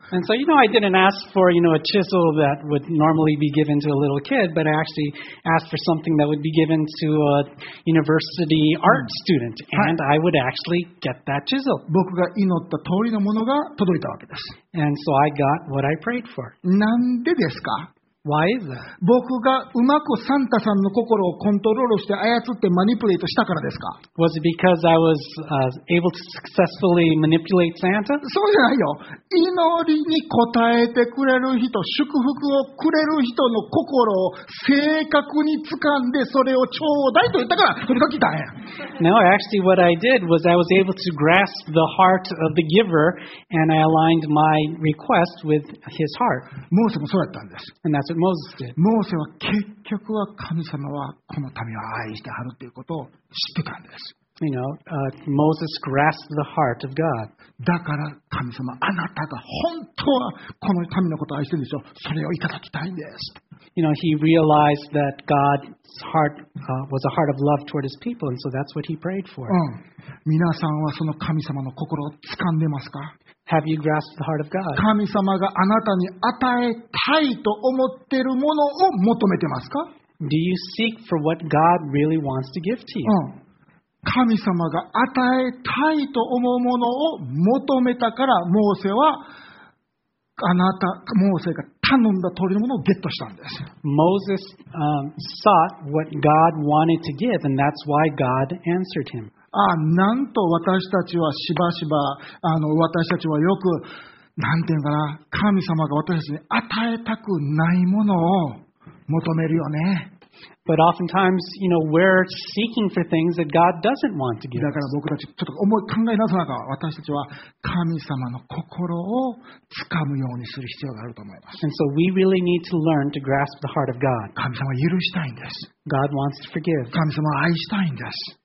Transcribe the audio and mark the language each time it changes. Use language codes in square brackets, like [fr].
[en] And so, you know, I didn't ask for, you know, a chisel that would normally be given to a little kid, but I actually asked for something that would be given to a university art student, and I would actually get that chisel. [ja] 僕が祈った通りのものが届いたわけです。 [en] And so I got what I prayed for. [ja] なんでですか？ [en] Why is that? [ja] 僕がうまくサンタさんの心をコントロールして操ってマニプレートしたからですか？ [en] Was it because I was, able to successfully manipulate Santa? [ja] そうじゃないよ。祈りに応えてくれる人、祝福をくれる人の心を正確に掴んでそれをちょうだいと言ったから、それが来たんや。 [en] No, actually what I did was I was able to grasp the heart of the giver and I aligned my request with his heart. [ja] モーセもそうだったんです。 [en] And that's what Moses did. [ja] モーセは結局は神様はこの民を愛してはるということを知ってたんです。 [en] You know, Moses grasped the heart of God. [ja] だから神様、あなたが本当はこの民のことを愛してるんでしょ。それをいただきたいんです。 [en] You know, he realized that God's heart, was a heart of love toward his people, and so that's what he prayed for. うん。 [ja] 皆さんはその神様の心を掴んでますか？ [en] Have you grasped the heart of God? [ja] 神様があなたに与えたいと思っているものを求めてますか？ [en] Do you seek for what God really wants to give to you? うん。 [ja] 神様が与えたいと思うものを求めたから、モーセはあなた、モーセが頼んだ通りのものをゲットしたんです。 [en] Moses, sought what God wanted to give, and that's why God answered him. [ja] ああ、なんと私たちはしばしば、私たちはよく、なんていうかな、神様が私たちに与えたくないものを求めるよね。 [en] But oftentimes, you know, we're seeking for things that God doesn't want to give. [ja] だから僕たちちょっと思い考えなさなか、私たちは神様の心を掴むようにする必要があると思います。 [en] And so we really need to learn to grasp the heart of God. [ja] 神様は許したいんです。 [en] God wants to forgive. [ja] 神様は愛したいんです。